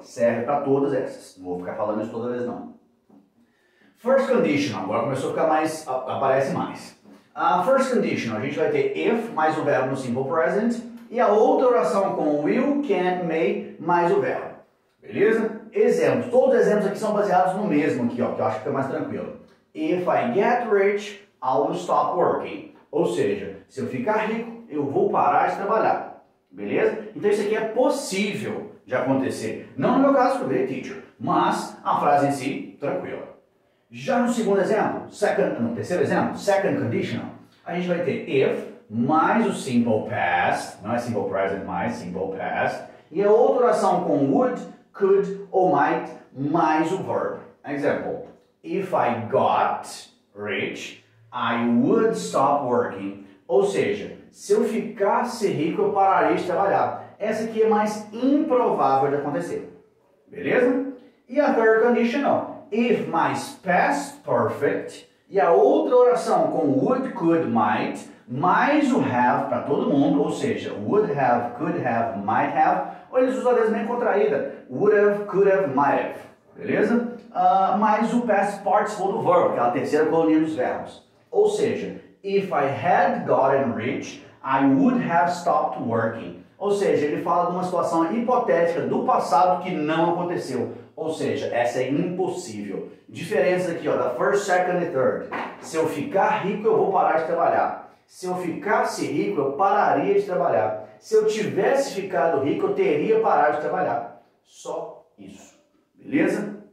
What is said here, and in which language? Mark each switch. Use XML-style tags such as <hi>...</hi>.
<pt>Serve para todas essas. Não vou ficar falando isso toda vez, não. First condition, agora começou a ficar mais, aparece mais. First condition, a gente vai ter if mais o verbo no simple present e a outra oração com will, can, may mais o verbo. Beleza? Exemplos. Todos os exemplos aqui são baseados no mesmo aqui, ó, que eu acho que fica mais tranquilo.</pt> <en>If I get rich, I'll stop working.</en> <pt>Ou seja, se eu ficar rico, eu vou parar de trabalhar. Beleza? Então isso aqui é possível de acontecer. Não no meu caso, porque eu virei teacher, mas a frase em si, tranquila. Já no segundo exemplo, no terceiro exemplo, second conditional, a gente vai ter if mais o simple past, não é simple present mais, simple past, e a outra oração com would, could ou might mais o verbo.</pt> <en>Example, if I got rich, I would stop working.</en> <pt>Ou seja, se eu ficasse rico, eu pararia de trabalhar. Essa aqui é mais improvável de acontecer. Beleza? E a third conditional. If mais past perfect e a outra oração com would, could, might mais o have para todo mundo, ou seja, would have, could have, might have, ou eles usam a mesma contraída, would have, could have, might have, beleza? Mais o past participle do verbo, que é a terceira colônia dos verbos. Ou seja,</pt> <en>if I had gotten rich, I would have stopped working.</en> <pt>Ou seja, ele fala de uma situação hipotética do passado que não aconteceu. Ou seja, essa é impossível. Diferença aqui, ó, da first, second e third. Se eu ficar rico, eu vou parar de trabalhar. Se eu ficasse rico, eu pararia de trabalhar. Se eu tivesse ficado rico, eu teria parado de trabalhar. Só isso. Beleza?</pt>